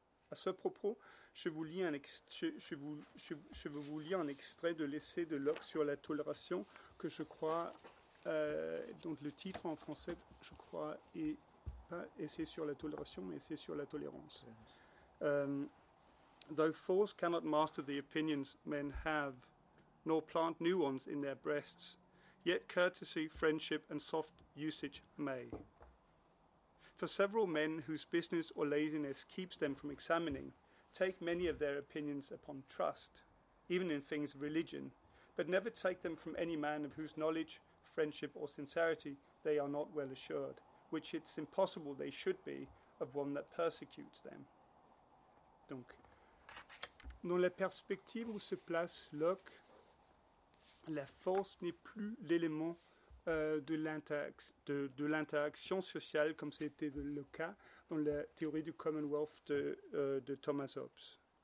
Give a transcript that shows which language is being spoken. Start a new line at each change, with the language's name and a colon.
French: À ce propos, je vous lis un extrait de l'essai de Locke sur la tolération que je crois, donc le titre en français, je crois, est pas essai sur la tolération, mais essai sur la tolérance.
English: Though force cannot master the opinions men have, nor plant new ones in their breasts, yet courtesy, friendship, and soft usage may. For several men whose business or laziness keeps them from examining, take many of their opinions upon trust, even in things of religion, but never take them from any man of whose knowledge, friendship, or sincerity they are not well assured, which it's impossible they should be of one that persecutes them.
French: Donc, dans la perspective où se place Locke, la force n'est plus l'élément de l'interaction sociale comme c'était le cas dans la théorie du Commonwealth de Thomas Hobbes.